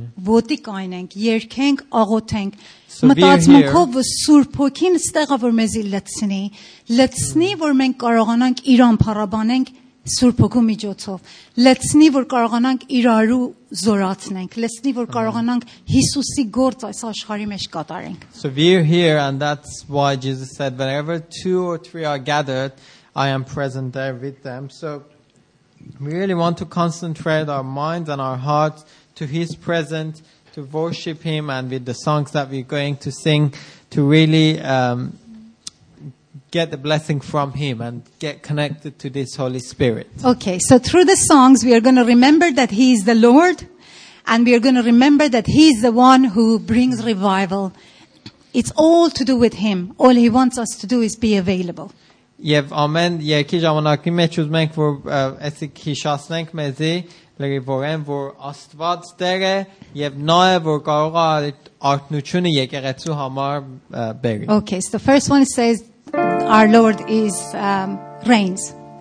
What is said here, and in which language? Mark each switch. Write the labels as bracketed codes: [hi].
[hy] ոտի կանենք, երկենք, աղոթենք։ Մտածմունքով Սուրբ Հոգին ստեղա որ մեզի լցնի, լցնի որ մենք կարողանանք իրան փառաբանենք Սուրբ Հոգու միջոցով, լցնի որ կարողանանք իրարու զորացնենք, լցնի որ կարողանանք Հիսուսի գործ այս աշխարհի մեջ կատարենք։ [en] So we're here and that's why Jesus said whenever two or three are gathered, I am present there with them. So we really want to concentrate our minds and our hearts to his presence, to worship him and with the songs that we're going to sing, to really get the blessing from him and get connected to this Holy Spirit. Okay, so through the songs, we are going to remember that he is the Lord and we are going to remember that he is the one who brings revival. It's all to do with him. All he wants us to do is be available. [hy] Եվ ամեն երկի ժամանակի մեջ ուզում ենք որ այսիկ հիշացնենք մեզի [en] Okay, so the first one says our Lord is reigns.